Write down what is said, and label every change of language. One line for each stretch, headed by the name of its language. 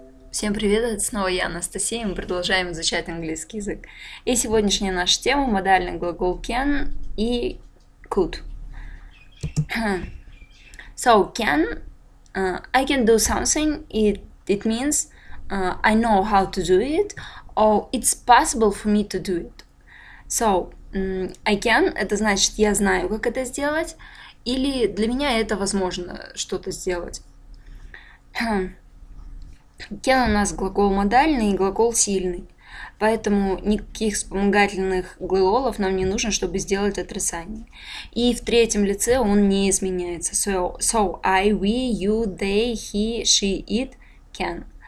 Russian: Всем привет, это снова я, Анастасия, и мы продолжаем изучать английский язык. И сегодняшняя наша тема – модальный глагол can и could.
English: So, can – I can do something, it means I know how to do it, or it's possible for me to do it. So, I can
Russian: – это значит, я знаю, как это сделать, или для меня это возможно что-то сделать. Can у нас глагол модальный и глагол сильный, поэтому никаких вспомогательных глаголов нам не нужно, чтобы сделать отрицание. И в третьем лице он не изменяется.
English: So, I, we, you, they, he, she, it, can.